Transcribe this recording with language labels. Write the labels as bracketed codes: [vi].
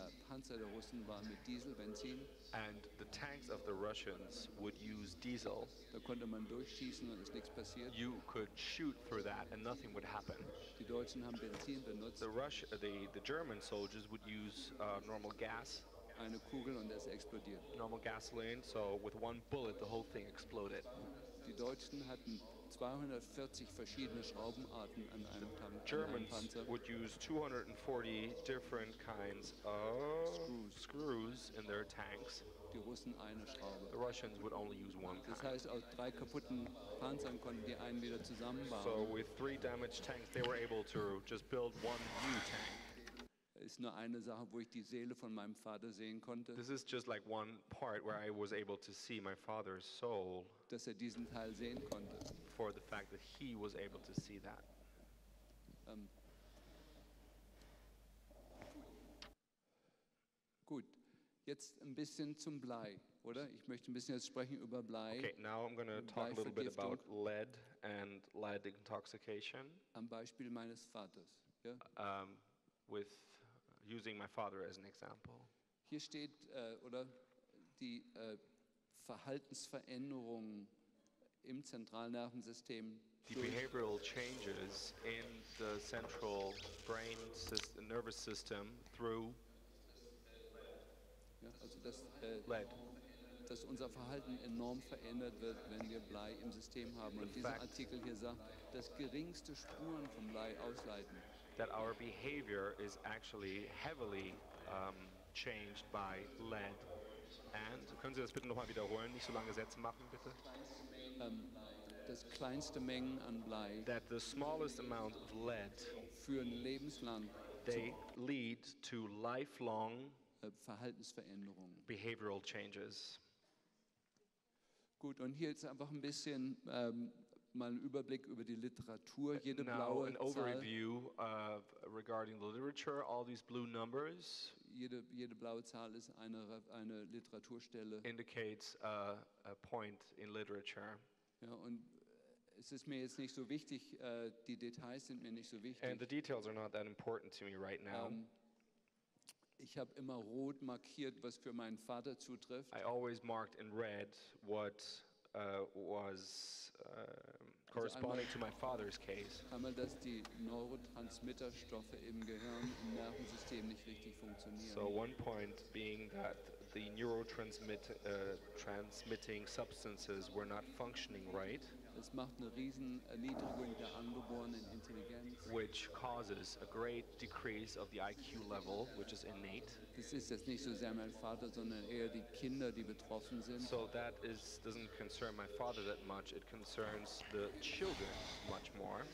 [en] And the tanks of the Russians would use diesel. [de] Da konnte man durchschießen und ist nichts passiert. [en] You could shoot through that and nothing would happen. [de] Die Deutschen haben Benzin benutzt. [en] The German soldiers would use normal gas. [de] Eine Kugel und es explodiert. [en] Normal gasoline, so with one bullet the whole thing exploded. [de] Die Deutschen hatten 240 verschiedene Schraubenarten an einem Panzer. [en] Germans would use 240 different kinds of screws in their tanks. [de] Die Russen eine Schraube. [en] The Russians would only use one kind. [de] Das heißt, aus drei kaputten Panzern konnten die einen wieder zusammenbauen. [en] So with three damaged tanks, they were able to just build one new tank. [de] ist nur eine Sache, wo ich die Seele von meinem Vater sehen konnte. [en] This is just like one part where I was able to see my father's soul. [de] Dass er diesen Teil sehen konnte. [en] For the fact that he was able to see that. [de] Gut, jetzt ein bisschen zum Blei, oder? Ich möchte ein bisschen jetzt sprechen über Blei. [en] Okay, now I'm going to talk a little bit about lead and lead intoxication. [de] Am Beispiel meines Vaters. Ja? [en] With using my father as an example. [de] Hier steht, oder die Verhaltensveränderung im Zentralnervensystem. [en] The behavioral changes in the central brain system, nervous system through [de] ja, also dass, lead. Dass unser Verhalten enorm verändert wird, wenn wir Blei im System haben. Und dieser Artikel hier sagt, dass geringste Spuren vom Blei ausleiten. [en] That our behavior is actually heavily changed by lead. [de] And können Sie das bitte nochmal wiederholen? Nicht so lange Sätze machen, bitte. Das kleinste Mengen an Blei. [en] That the smallest amount of lead. [de] Führen lebenslang. [en] They lead to lifelong. [de] Verhaltensveränderungen. [en] Behavioral changes. [de] Gut, und hier jetzt einfach ein bisschen. Mal einen Überblick über die Literatur, jede blaue Zahl. [en] Now an overview of regarding the literature, all these blue numbers. [de] Jede blaue Zahl ist eine Literaturstelle. [en] Indicates a point in literature. [de] Ja, und es ist mir jetzt nicht so wichtig, die Details sind mir nicht so wichtig. [en] And the details are not that important to me right now. [de] Ich habe immer rot markiert, was für meinen Vater zutrifft. [en] I always marked in red what was corresponding to my father's case. [de] Einmal, dass die Neurotransmitterstoffe im Gehirn im Nervensystem nicht richtig funktionieren. [en] So one point being that the neurotransmitting substances were not functioning right. [de] Es macht eine riesen Erniedrigung der angeborenen Intelligenz. [en] Which causes a great decrease of the IQ level, which is innate. [de] Das ist jetzt nicht so sehr mein Vater, sondern eher die Kinder, die betroffen sind. [en] So that is doesn't concern my father that much. It concerns the children much more.